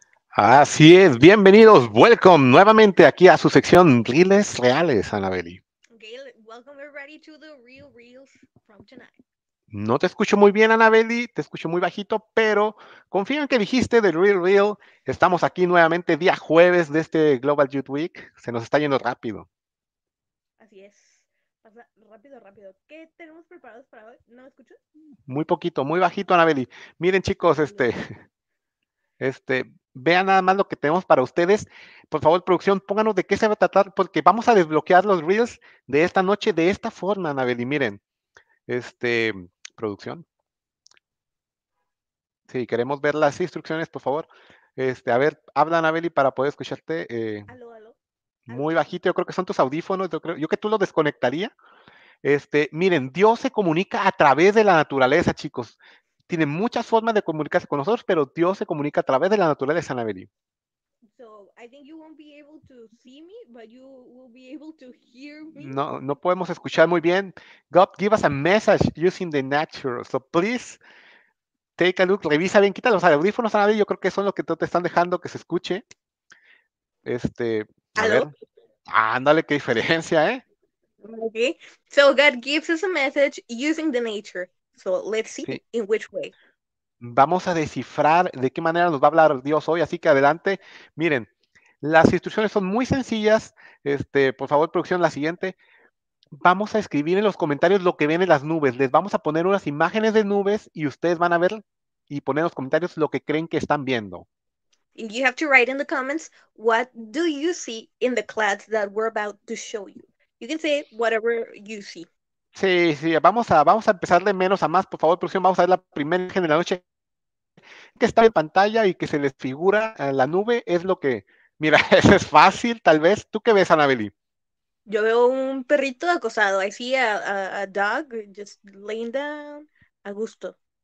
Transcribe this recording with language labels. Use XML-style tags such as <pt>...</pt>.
<es>Así es, bienvenidos, welcome nuevamente aquí a su sección Reels Reales, Anabeli.</es> <en>Gail, welcome everybody to the real reels from tonight.</en> <es>No te escucho muy bien, Anabeli, te escucho muy bajito, pero confío en que dijiste del real reel. Estamos aquí nuevamente día jueves de este Global Youth Week. Se nos está yendo rápido. Así es, pasa rápido, rápido. ¿Qué tenemos preparados para hoy? ¿No escucho? Muy poquito, muy bajito, Anabeli. Miren, chicos, vean nada más lo que tenemos para ustedes. Por favor, producción, pónganos de qué se va a tratar, porque vamos a desbloquear los Reels de esta noche de esta forma, Anabeli. Miren, producción. Sí, queremos ver las instrucciones, por favor. A ver, habla, Anabeli, para poder escucharte. Aló, aló. Muy bajito, yo creo que son tus audífonos. Yo creo que tú lo desconectaría. Miren, Dios se comunica a través de la naturaleza, chicos. Tiene muchas formas de comunicarse con nosotros, pero Dios se comunica a través de la naturaleza, Anabeli.</es> <en>So, I think you won't be able to see me, but you will be able to hear me.</en> <es>No, no podemos escuchar muy bien.</es> <en>God, give us a message using the natural. So, please, take a look.</en> <es>Revisa bien, quita los audífonos, Anabeli. Yo creo que son los que te están dejando que se escuche. A ver. Ándale, qué diferencia, ¿eh?</es> <en>Okay. So, God gives us a message using the nature. So let's see sí. In which way.</en> <es>Vamos a descifrar de qué manera nos va a hablar Dios hoy, así que adelante. Miren, las instrucciones son muy sencillas. Por favor, producción, la siguiente. Vamos a escribir en los comentarios lo que ven en las nubes. Les vamos a poner unas imágenes de nubes y ustedes van a ver y poner en los comentarios lo que creen que están viendo.</es> <en>You have to write in the comments, what do you see in the clouds that we're about to show you? You can say whatever you see.</en> <es>Sí, vamos a empezar de menos a más, por favor, producción, vamos a ver la primera imagen de la noche que está en pantalla y que se les figura la nube, es lo que, mira, eso es fácil, tal vez, ¿tú qué ves, Anabeli? Yo veo un perrito acosado,</es> <en>I see a dog just laying down,</en> <es>a gusto.</es>